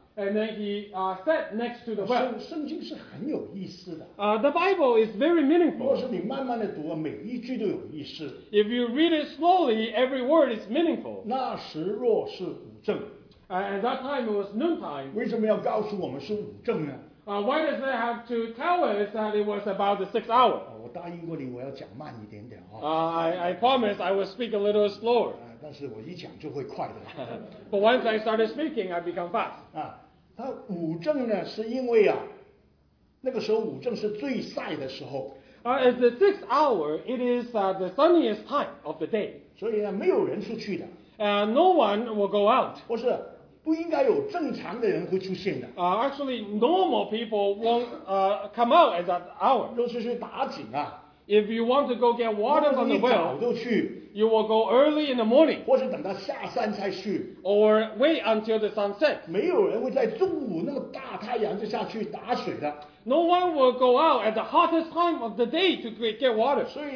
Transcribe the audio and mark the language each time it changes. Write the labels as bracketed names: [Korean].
[English] And then he sat next to the well. [Chinese] 圣经是很有意思的。 [English] The Bible is very meaningful. [Chinese] 若是你慢慢的读，每一句都有意思。 [English] If you read it slowly, every word is meaningful. [Chinese] 那时若是午正。 [English] At that time it was noontime. [Chinese] 为什么要告诉我们是午正呢？ [English] Why does they have to tell us that it was about the sixth hour? [Chinese] 我答应过你，我要讲慢一点点啊。 [English] I promise I will speak a little slower. [Chinese] 但是我一讲就会快的。 [English] But once I started speaking, I become fast. [Chinese] 他午正呢，是因为啊，那个时候午正是最晒的时候。 [English] At the sixth hour, it is the sunniest time of the day. [Chinese] 所以呢，没有人出去的。 [English] No one will go out. [Chinese] 不是。不应该有正常的人会出现的。 [English] Actually, normal people won't come out at that hour. [Chinese] 尤其是打井啊。 [English] If you want to go get water from the well, you will go early in the morning. Or wait until the sunset. No one will go out at the hottest time of the day to get water.